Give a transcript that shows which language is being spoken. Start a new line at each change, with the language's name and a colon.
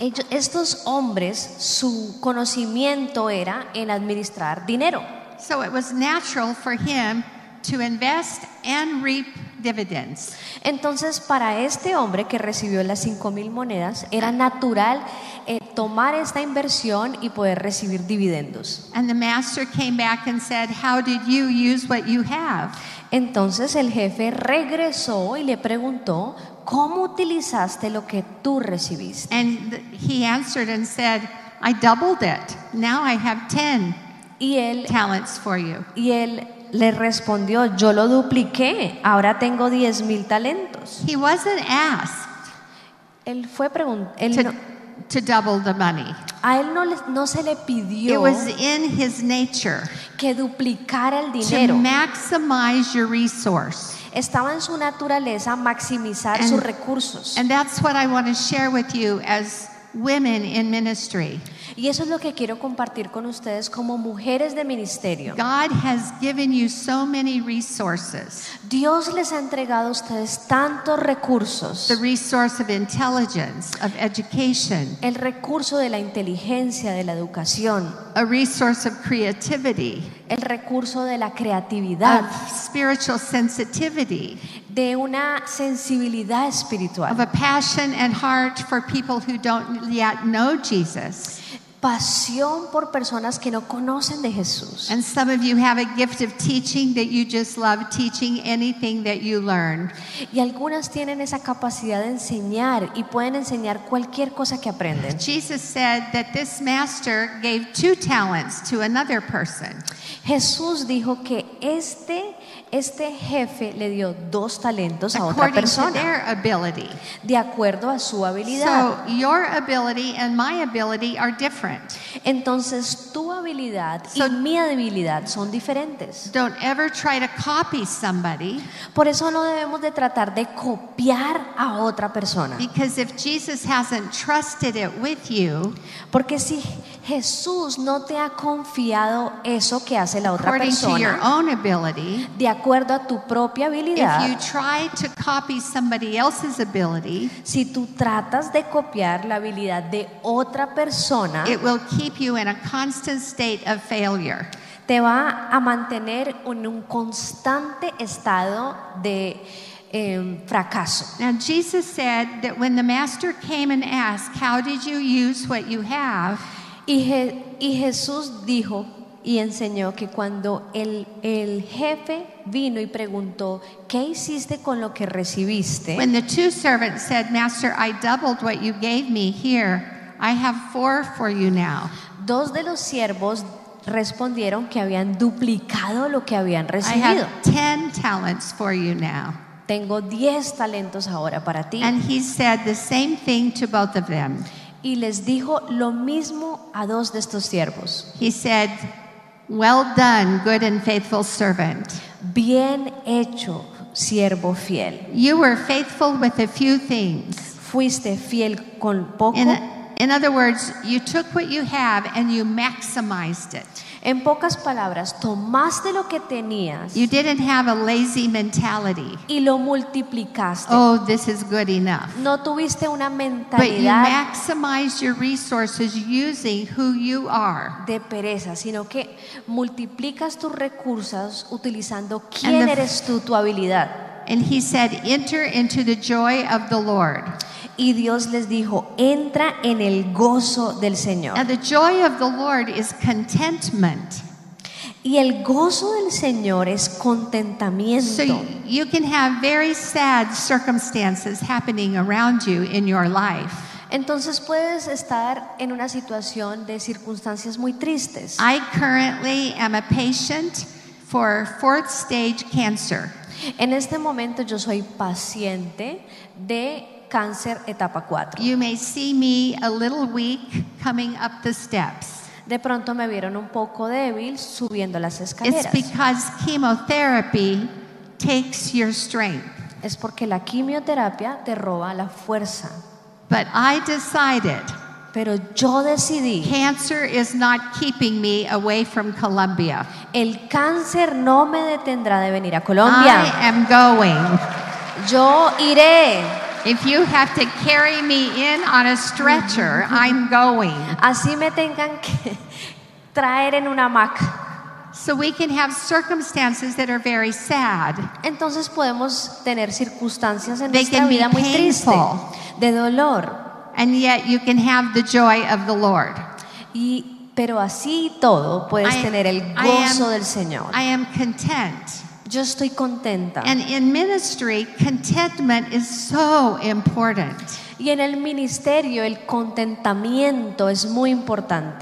Spanish: Estos hombres, su conocimiento era en administrar dinero.
English: So it was natural for him to invest and reap dividends.
Spanish: Entonces, para este hombre que recibió las 5,000 monedas, era natural tomar esta inversión y poder recibir dividendos.
English: And the master came back and said, "How did you use what you have?"
Spanish: Entonces el jefe regresó y le preguntó, "¿Cómo utilizaste lo que tú recibiste?"
English: And he answered and said, "I doubled it. Now I have 10 talents for you."
Spanish: Y él le respondió, "Yo lo dupliqué, ahora tengo 10,000 talentos."
English: He wasn't asked.
Spanish: Él fue
English: to double the money.
Spanish: A él no se le pidió.
English: It was in his nature.
Spanish: Que duplicara el dinero.
English: To maximize your resource.
Spanish: Estaba en su naturaleza maximizar sus recursos.
English: And that's what I want to share with you as women in ministry.
Spanish: Y eso es lo que quiero compartir con ustedes como mujeres de ministerio.
English: God has given you so many resources.
Spanish: Dios les ha entregado a ustedes tantos recursos.
English: The resource of intelligence, of education.
Spanish: El recurso de la inteligencia, de la educación.
English: A resource of creativity.
Spanish: El recurso de la creatividad.
English: Of spiritual sensitivity.
Spanish: De una sensibilidad espiritual.
English: Of a passion and heart for people who don't yet know Jesus.
Spanish: Pasión por personas que no conocen de Jesús.
English: And some of you have a gift of teaching that you just love teaching anything that you learn.
Spanish: Y algunas tienen esa capacidad de enseñar y pueden enseñar cualquier cosa que aprenden.
English: Jesus said that this master gave 2 talents to another person.
Spanish: Jesús dijo que este jefe le dio 2 talentos a
English: according
Spanish: otra persona.
English: To their ability.
Spanish: De acuerdo a su habilidad.
English: So your ability and my ability are different.
Spanish: Entonces tu habilidad y mi habilidad son diferentes.
English: Don't ever try to copy somebody.
Spanish: Por eso no debemos de tratar de copiar a otra persona.
English: Because if Jesus hasn't trusted it with you,
Spanish: porque si Jesús no te ha confiado eso que hace la otra
English: according
Spanish: persona,
English: to your own ability,
Spanish: de acuerdo a tu propia habilidad.
English: If you try to copy somebody else's ability,
Spanish: si tú tratas de copiar la habilidad de otra persona,
English: it will keep you in a constant state of failure.
Spanish: Te va a mantener en un constante estado de fracaso.
English: Now Jesus said that when the master came and asked, "How did you use what you have?"
Spanish: Y Jesús dijo y enseñó que cuando el jefe vino y preguntó, ¿qué hiciste con lo que recibiste?
English: When the 2 servants said, "Master, I doubled what you gave me. Here, I have 4 for you now."
Spanish: 2 de los siervos respondieron que habían duplicado lo que habían recibido.
English: I have 10 talents for you now.
Spanish: Tengo 10 talentos ahora para ti.
English: And he said the same thing to both of them.
Spanish: Y les dijo lo mismo a 2 de estos siervos.
English: He said, "Well done, good and faithful servant."
Spanish: Bien hecho, siervo fiel.
English: You were faithful with a few things.
Spanish: Fuiste fiel con poco.
English: In other words, you took what you have and you maximized it.
Spanish: En pocas palabras, tomaste lo que tenías.
English: You didn't have a lazy mentality.
Spanish: Y lo multiplicaste.
English: Oh, this is good enough.
Spanish: No tuviste una mentalidad.
English: But you maximized your resources using who you are.
Spanish: De pereza, sino que multiplicas tus recursos utilizando quién eres tú, tu habilidad.
English: And he said, "Enter into the joy of the Lord."
Spanish: Y Dios les dijo, entra en el gozo del Señor.
English: Now the joy of the Lord is contentment.
Spanish: Y el gozo del Señor es contentamiento.
English: So you can have very sad circumstances happening around you in your life.
Spanish: Entonces puedes estar en una situación de circunstancias muy tristes.
English: I currently am a patient for fourth stage cancer.
Spanish: En este momento yo soy paciente de cáncer etapa 4.
English: You may see me a little weak coming up the steps.
Spanish: De pronto me vieron un poco débil subiendo las escaleras.
English: It's because chemotherapy takes your strength.
Spanish: Es porque la quimioterapia te roba la fuerza.
English: But I decided.
Spanish: Pero yo decidí.
English: Cancer is not keeping me away from Colombia.
Spanish: El cáncer no me detendrá de venir a Colombia.
English: I am going.
Spanish: Yo iré.
English: If you have to carry me in on a stretcher, I'm going.
Spanish: Así me tengan que traer en una hamaca.
English: So we can have circumstances that are very sad.
Spanish: Entonces podemos tener circunstancias en
English: they
Spanish: nuestra vida muy tristes, de dolor.
English: And yet you can have the joy of the Lord.
Spanish: Y pero así todo puedes tener el gozo del Señor.
English: I am content.
Spanish: Yo estoy contenta.
English: And in ministry, contentment is so important.
Spanish: Y en el ministerio, el contentamiento es muy importante.